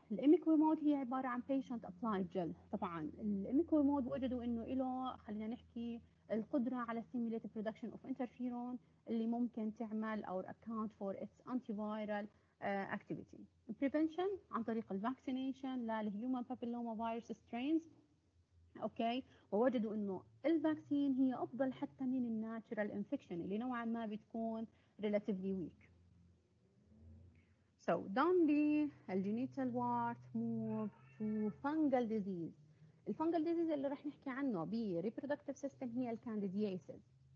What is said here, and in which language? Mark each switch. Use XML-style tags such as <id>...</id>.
<ar>الاميكويمود هي عباره عن</ar> <en>patient applied gel.</en> <ar>طبعا الاميكويمود وجدوا انه له خلينا نحكي القدره على</ar> <en>stimulate production of interferon</en> <ar>اللي ممكن تعمل</ar> <en>or account for its antiviral activity.</en> <ar>Prevention عن طريق الفاكسينيشن للهيومن بابيلوما فيروس سترينز، اوكي؟ ووجدوا انه الفاكسين هي افضل حتى من الناتشرال انفكشن اللي نوعا ما بتكون</ar> <en>relatively weak. So down the genital wart move to fungal disease.</en> <ar>الفنجل ديزيز اللي رح نحكي عنه بي reproductive system هي الكانديدياسيز.</ar>